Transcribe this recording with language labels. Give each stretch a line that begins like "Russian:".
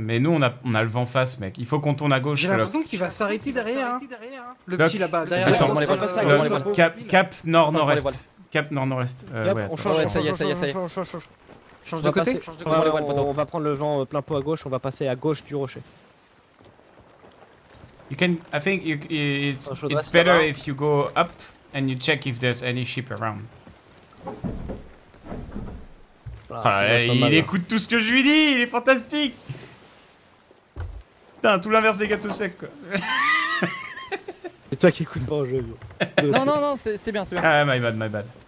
French: Mais nous, on a le vent face, mec. Il faut qu'on tourne à gauche. J'ai l'impression qu'il va s'arrêter derrière. Le petit là-bas. Derrière. Attends, cap nord-nord-est. Cap nord-nord-est. Ouais, on change. Change de côté. On va prendre le vent plein pot à gauche. On va passer à gauche du rocher.
English: I think it's better if you go up. And you check if there's any sheep around.
French: Il écoute tout ce que je lui dis, il est fantastique. Putain, tout l'inverse des gâteaux secs quoi. C'est toi qui écoutes pas au jeu. Non, c'était bien, c'est bien.
English: Ah, my bad.